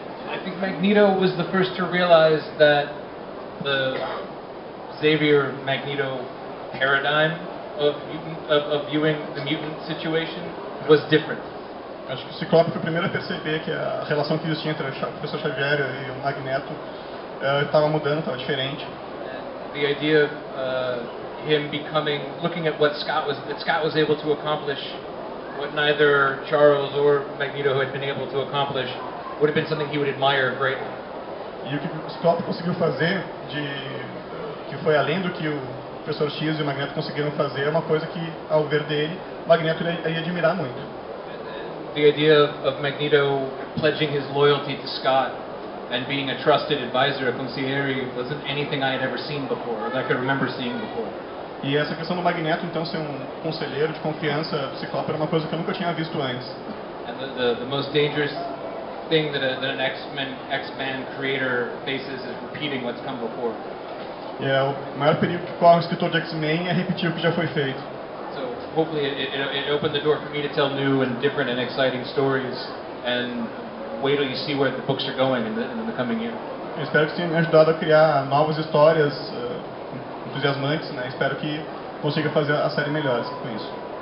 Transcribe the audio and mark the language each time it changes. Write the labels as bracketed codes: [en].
[en] I think Magneto was the first to realize that the Xavier Magneto paradigm of viewing the mutant situation was different. [pt] Acho que o Ciclope foi o primeiro a perceber que a relação que eles tinham entre o professor Xavier e o Magneto estava mudando, estava diferente. [en] The idea of him becoming, looking at what Scott was able to accomplish, what neither Charles or Magneto had been able to accomplish, would have been something he would admire greatly. [pt] E o que Scott conseguiu fazer, que foi além do que o professor X e o Magneto conseguiram fazer, é uma coisa que, ao ver dele, Magneto ia admirar muito. [en] The idea of Magneto pledging his loyalty to Scott and being a trusted advisor, a concierge, wasn't anything I had ever seen before, or that I could remember seeing before. [pt] E essa questão do Magneto, então, ser um conselheiro de confiança do Ciclope era uma coisa que eu nunca tinha visto antes. [en] And the most dangerous thing that, that an X-Men creator faces is repeating what's come before. [pt] Yeah, o maior perigo que corre o escritor de X-Men é repetir o que já foi feito. [en] So, hopefully it opened the door for me to tell new and different and exciting stories, and wait till you see where the books are going in the coming year. [pt] Eu espero que tenha me ajudado a criar novas histórias entusiasmantes, né? Espero que consiga fazer a série melhor com isso.